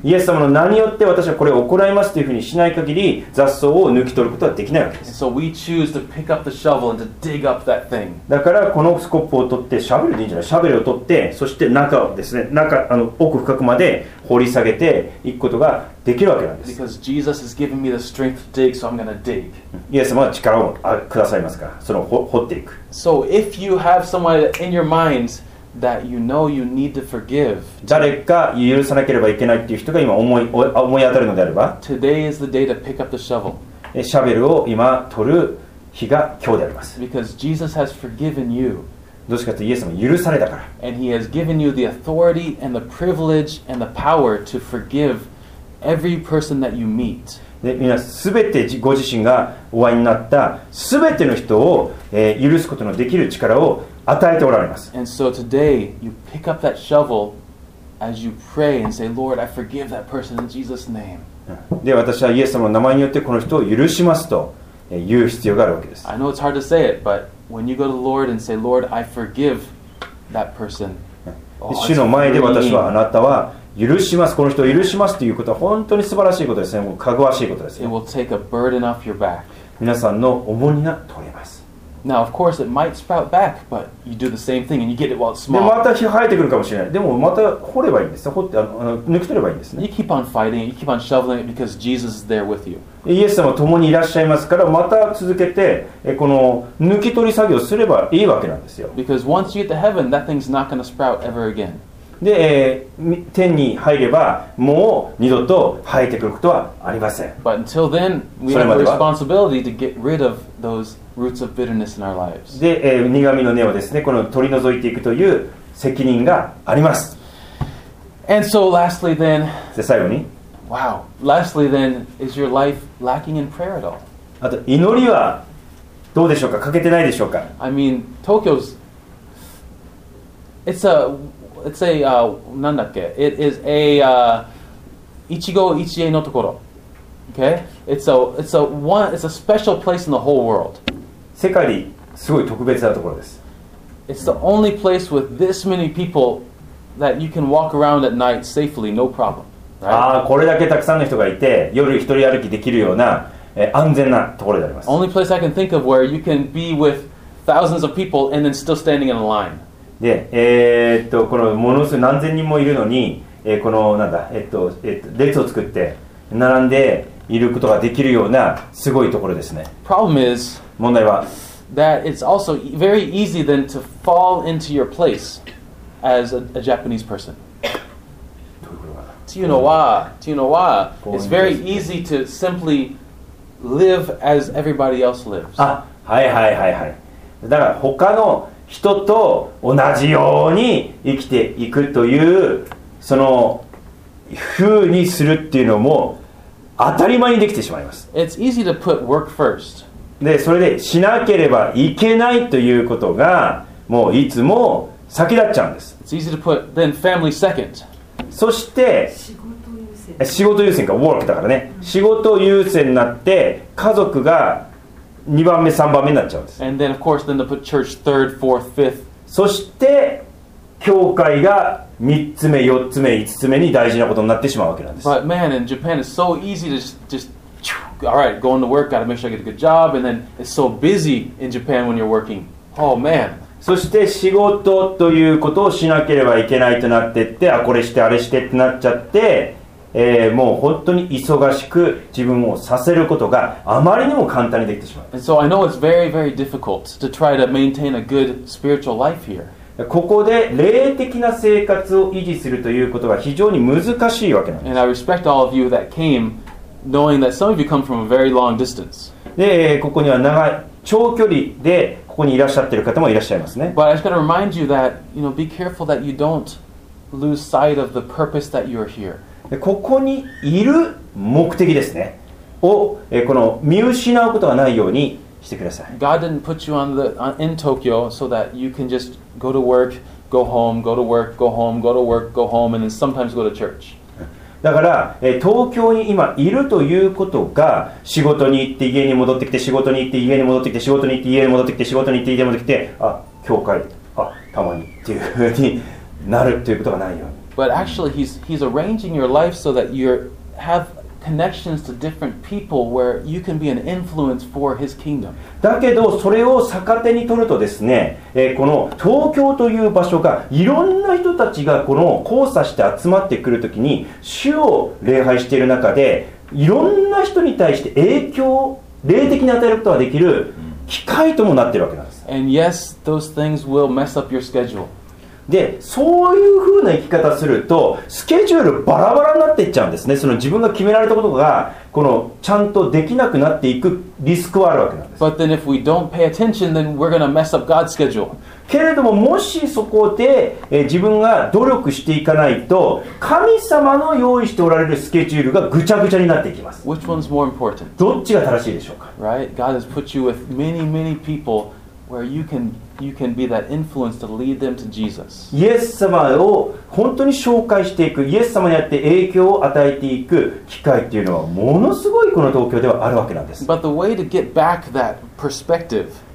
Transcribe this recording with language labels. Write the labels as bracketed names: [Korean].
[Japanese] イエス様の名によって私はこれを行いますというふうにしない限り雑草を抜き取ることはできないわけです。 [English] So we choose to pick up the shovel and to dig up that thing. [Japanese] だからこのスコップを取って、シャベルでいいんじゃない?シャベルを取って、そして中をですね、中、奥深くまで掘り下げていくことができるわけなんです。 [English] Because Jesus has given me the strength to dig, so I'm going to dig. [Japanese] イエス様は力をくださいますから、その掘っていく。 [English] So if you have someone in your mind,That you know you need to forgive. [Japanese] 誰か許さなければいけないっていう人が今思い当たるのであれば、 [English] Today is the day to pick up the shovel. [Japanese] シャベルを今取る日が今日であります。 [English] Because Jesus has forgiven you. [Japanese] どうしてかというとイエス様は許されたから。 [English] And he has given you the authority and the privilege and the power to forgive every person that you meet. [Japanese] で皆すべてご自身がお会いになったすべての人を、許すことのできる力を与えておられます。 [English] And so today you pick up that shovel as you pray and say, Lord, I forgive that person in Jesus' name. [Japanese] で私はイエス様の名前によってこの人を許しますと、言う必要があるわけです。 [English] I know it's hard to say it, but when you go to the Lord and say, Lord, I forgive that person. [Japanese] 主の前で私はあなたは許しますこの人を許しますということは本当に素晴らしいことですねもうかぐわしいことです、ね、 [English] It will take a burden off your back. [Japanese] 皆さんの重荷が取れます [English] Now of course it might sprout back But you do the same thing and you get it while it's small [Japanese] でまた生えてくるかもしれないでもまた掘ればいいんです掘って抜き取ればいいんですね [English] You keep on fighting You keep on shoveling it Because Jesus is there with you [Japanese] イエス様共にいらっしゃいますからまた続けてこの抜き取り作業すればいいわけなんですよ [English] Because once you get to heaven That thing's not going to sprout ever again [Japanese] で、天に入ればもう二度と生えてくることはありません。 [English] But until then, we have a responsibility to get rid of those roots of bitterness in our lives. [Japanese] で、苦みの根をですね、この取り除いていくという責任があります。 [English] And so lastly then, [Japanese] で最後に、 [English] Wow, lastly then, is your life lacking in prayer at all? [Japanese] あと祈りはどうでしょうか?欠けてないでしょうか? [English] I mean, Tokyo's... It's a... It's a, [Japanese] なんだっけ? [English] It is a, 151A [Japanese] のところ. [English] Okay? It's a special place in the whole world. [Japanese] 世界ですごい特別なところです. [English] It's the only place with this many people that you can walk around at night safely, no problem. Right? [Japanese] ああ、これだけたくさんの人がいて、夜一人歩きできるような、安全なところであります。 [English] Only place I can think of where you can be with thousands of people and then still standing in a line. [Japanese] でこのものすごい何千人もいるのに、このなんだ、列を作って並んでいることができるようなすごいところですね。 [English] Problem is, [Japanese] 問題は、 [English] that it's also very easy then to fall into your place as a Japanese person. Tsunowa, it's very easy to simply live as everybody else lives. [Japanese] あ、はいはいはいはい。だから他の人と同じように生きていくというその風にするっていうのも当たり前にできてしまいます。 [English] It's easy to put work first. [Japanese] で、それでしなければいけないということがもういつも先立っちゃうんです。 [English] It's easy to put then family second. [Japanese] そして仕事優先。仕事優先か、 work だからね、仕事優先になって家族が2番目3番目になっちゃうんです。 [English] And then of course then they'll put church third, fourth, fifth. [Japanese] そして教会が3つ目4つ目5つ目に大事なことになってしまうわけなんです。 [English] But man, in Japan it's so easy to just alright, going to work, gotta make sure I get a good job, and then it's so busy in Japan when you're working. Oh man. [Japanese] そして仕事ということをしなければいけないとなってって、あこれしてあれしてってなっちゃって、もう本当に忙しく自分をさせることがあまりにも簡単にできてしまう。 [English] And so I know it's very, very difficult to try to maintain a good spiritual life here. [Japanese] ここで霊的な生活を維持するということが非常に難しいわけなんです。 [English] And I respect all of you that came, knowing that some of you come from a very long distance. [Japanese] で、ここには長い長距離でここにいらっしゃってる方もいらっしゃいますね。 [English] But I just got to remind you that, you know, be careful that you don't lose sight of the purpose that you're here. [Japanese] ここにいる目的ですねを、この見失うことがないようにしてください。 [English] God didn't put you on the, on, in Tokyo so that you can just go to work, go home, go to work, go home, go to work, go home, and then sometimes go to church. [Japanese] だから、東京に今いるということが仕事に行って家に戻ってきて仕事に行って家に戻ってきて仕事に行って家に戻ってきて仕事に行って家に戻ってきて、あ、教会、あ、たまにっていうふうになるということがないように。 [English] But actually, he's arranging your life so that you have connections to different people where you can be an influence for his kingdom. [Japanese] だけどそれを逆手に取るとですね、この東京という場所がいろんな人たちがこの交差して集まってくるときに、主を礼拝している中でいろんな人に対して影響を霊的に与えることができる機会ともなっているわけなんです。 [English] And yes, those things will mess up your schedule. [Japanese] でそういう風な生き方するとスケジュールバラバラになっていっちゃうんですね。その自分が決められたことがこのちゃんとできなくなっていくリスクはあるわけなんです。 [English] But then if we don't pay attention, then we're gonna mess up God's schedule. [Japanese] けれどももしそこで自分が努力していかないと神様の用意しておられるスケジュールがぐちゃぐちゃになっていきます。 [English] Which one's more important? [Japanese] どっちが正しいでしょうか。 [English] Right? God has put you with many, many people where you canYou can be that influence to lead them to Jesus. [Japanese] イエス様を本当に紹介していく、イエス様にあって影響を与えていく機会っていうのはものすごいこの東京ではあるわけなんです。 [English] But the way to get back that perspective,